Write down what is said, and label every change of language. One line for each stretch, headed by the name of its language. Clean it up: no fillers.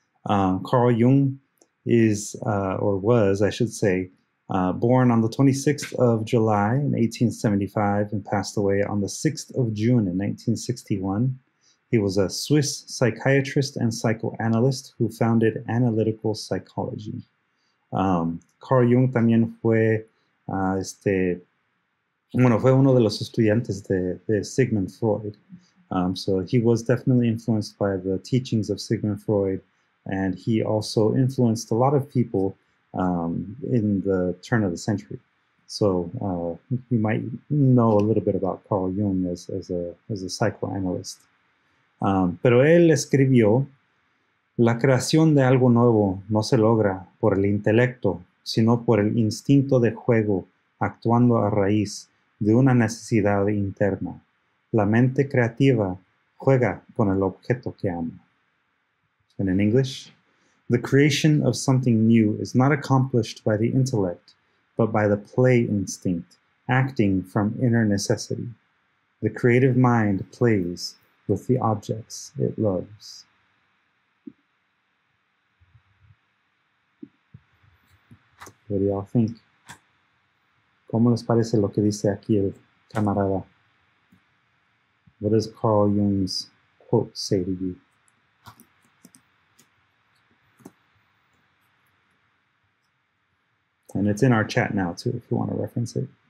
English: Carl Jung is, or was, I should say, born on the 26th of July in 1875 and passed away on the 6th of June in 1961. He was a Swiss psychiatrist and psychoanalyst who founded analytical psychology.
Spanish: Carl Jung también fue... Bueno, fue uno de los estudiantes de Sigmund Freud.
English: So he was definitely influenced by the teachings of Sigmund Freud, and he also influenced a lot of people in the turn of the century. So you might know a little bit about Carl Jung as a psychoanalyst.
Spanish: Pero él escribió, la creación de algo nuevo no se logra por el intelecto, sino por el instinto de juego actuando a raíz de una necesidad interna. La mente creativa juega con el objeto que ama.
English: And in English, the creation of something new is not accomplished by the intellect, but by the play instinct, acting from inner necessity. The creative mind plays with the objects it loves. What do y'all think?
Spanish: ¿Cómo les parece lo que dice aquí el camarada?
English: What does Carl Jung's quote say to you? And it's in our chat now, too, if you want to reference it.